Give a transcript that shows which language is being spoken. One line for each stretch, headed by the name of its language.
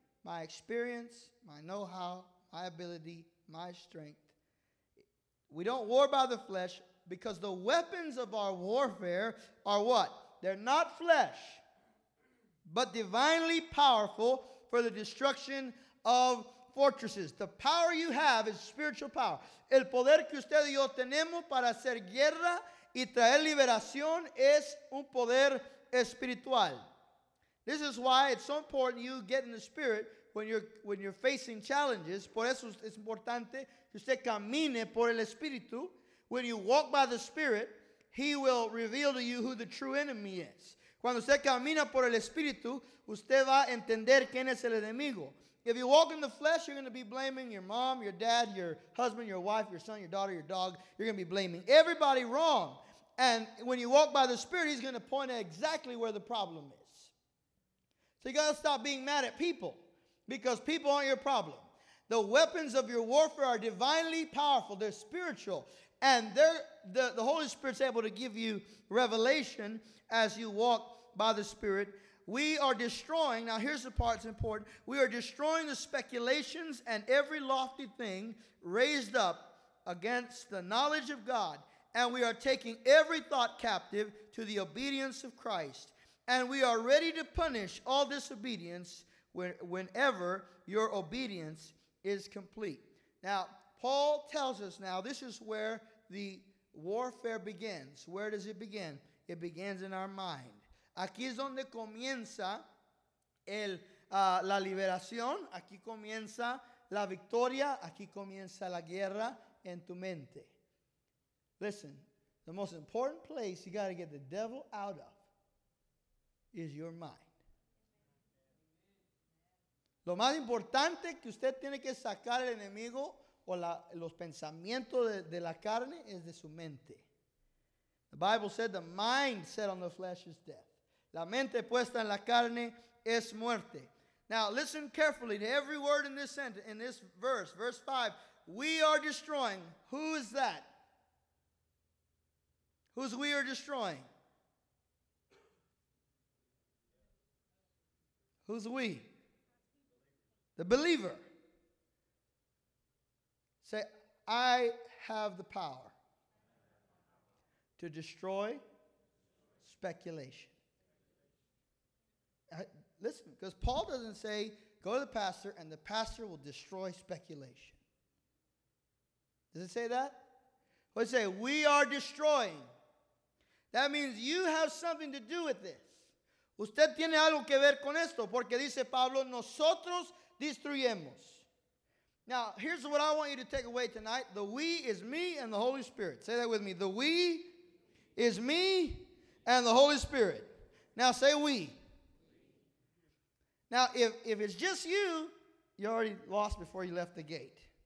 English: My experience, my know-how, my ability, my strength. We don't war by the flesh because the weapons of our warfare are what? They're not flesh, but divinely powerful for the destruction of fortresses. The power you have is spiritual power.
Spanish: El poder que usted y yo tenemos para hacer guerra y traer liberación es un poder espiritual.
English: This is why it's so important you get in the spirit when you're facing challenges.
Spanish: Por eso es importante que usted camine por el espíritu.
English: When you walk by the spirit, he will reveal to you who the true enemy is.
Spanish: Cuando usted camina por el espíritu, usted va a entender quién es el enemigo.
English: If you walk in the flesh, you're going to be blaming your mom, your dad, your husband, your wife, your son, your daughter, your dog. You're going to be blaming everybody wrong. And when you walk by the spirit, he's going to point out exactly where the problem is. So you got to stop being mad at people because people aren't your problem. The weapons of your warfare are divinely powerful. They're spiritual. And the Holy Spirit's able to give you revelation as you walk by the Spirit. We are destroying, now here's the part that's important. We are destroying the speculations and every lofty thing raised up against the knowledge of God. And we are taking every thought captive to the obedience of Christ. And we are ready to punish all disobedience whenever your obedience is complete. Now, Paul tells us now, this is where the warfare begins. Where does it begin? It begins in our mind.
Spanish: Aquí es donde comienza el la liberación, aquí comienza la victoria, aquí comienza la guerra en tu mente.
English: Listen, the most important place you got to get the devil out of is your mind.
Spanish: Lo más importante que usted tiene que sacar el enemigo o los pensamientos de la carne es de su mente.
English: The Bible said the mind set on the flesh is death.
Spanish: La mente puesta en la carne es muerte.
English: Now listen carefully to every word in this sentence, in this verse, verse 5. We are destroying. Who is that? Who's we are destroying? Who's we? The believer. Say, I have the power to destroy speculation. Listen, because Paul doesn't say, go to the pastor and the pastor will destroy speculation. Does it say that? What does it say? We are destroying. That means you have something to do with this.
Spanish: Usted tiene algo que ver con esto, porque dice Pablo, nosotros destruyemos.
English: Now, here's what I want you to take away tonight. The we is me and the Holy Spirit. Say that with me. The we is me and the Holy Spirit. Now, say we. Now, if it's just you, you already lost before you left the gate.